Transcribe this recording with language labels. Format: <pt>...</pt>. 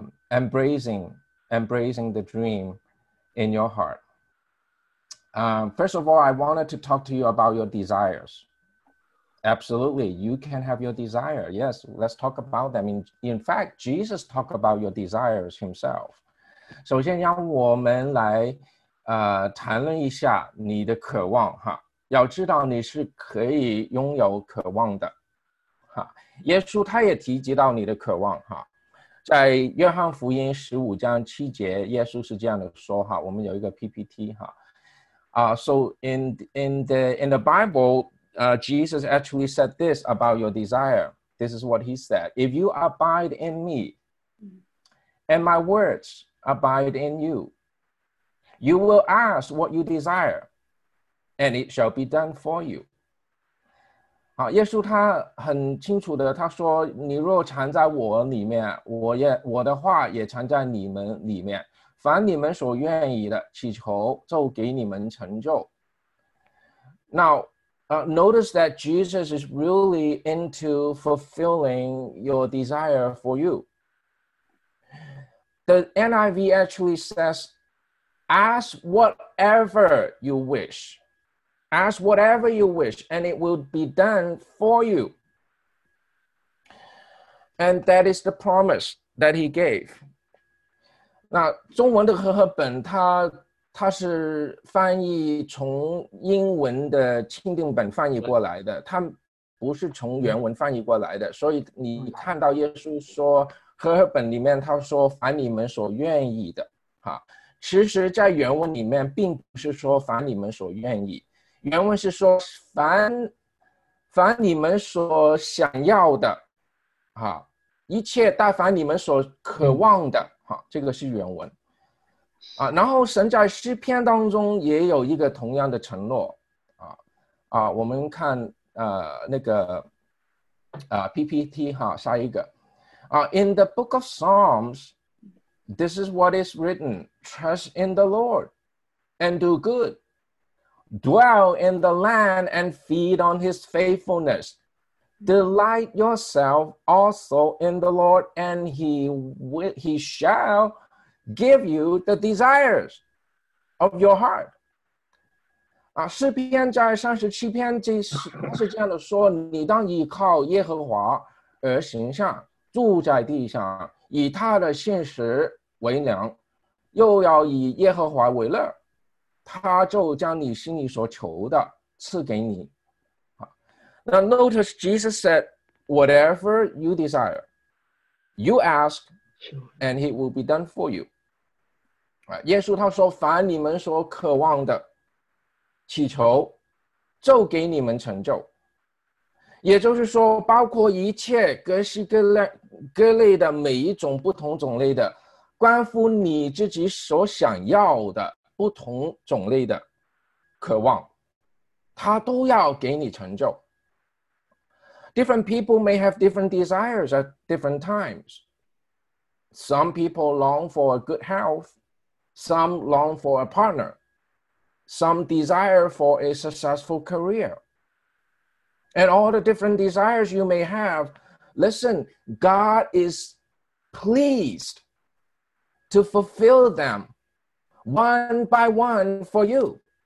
<en>Embracing the dream in your heart. First of all, I wanted to talk to you about your desires. Absolutely, you can have your desire. Yes, let's talk about them. In fact, Jesus talked about your desires himself.</en> <zh>首先让我们来谈论一下你的渴望哈，要知道你是可以拥有渴望的哈。耶稣他也提及到你的渴望哈，在约翰福音15:7，耶稣是这样的说哈，我们有一个 PPT 哈。</zh> <en>So in the Bible, Jesus actually said this about your desire. This is what he said: If you abide in me, and my words abide in you, you will ask what you desire, and it shall be done for you.</en> <zh>好，耶稣他很清楚的，他说：“你若藏在我里面，我的话也藏在你们里面。凡你们所愿意的，祈求就给你们成就。”</zh> <en>Now, notice that Jesus is really into fulfilling your desire for you. The NIV actually says, ask whatever you wish. Ask whatever you wish, and it will be done for you. And that is the promise that he gave.</en> <zh>那中文的和合本它是翻译从英文的钦定本翻译过来的，它不是从原文翻译过来的，所以你看到耶稣说和合本里面他说凡你们所愿意的哈，其实在原文里面并不是说凡你们所愿意，原文是说凡你们所想要的哈，一切但凡你们所渴望的哈，这个是原文啊。然后神在诗篇当中也有一个同样的承诺啊啊，我们看那个PPT 哈，下一个。</zh> <en>In the book of Psalms, this is what is written: Trust in the Lord and do good. Dwell in the land and feed on his faithfulness. Delight yourself also in the Lord, and he shall give you the desires of your heart.</en> <zh>诗篇在37是这样的说，你当依靠耶和华而行善。住在地上，以他的信实为粮，又要以耶和华为乐，他就将你心里所求的赐给你。那</zh> <en>notice Jesus said, whatever you desire, you ask, and it will be done for you.</en> <zh>耶稣他说，凡你们所渴望的，祈求，就给你们成就。也就是说，包括一切各式各类的每一种不同种类的，关乎你自己所想要的不同种类的渴望，他都要给你成就。</zh> <en>Different people may have different desires at different times. Some people long for a good health, some long for a partner, some desire for a successful career. And all the different desires you may have, listen, God is pleased to fulfill them one by one for you.</en>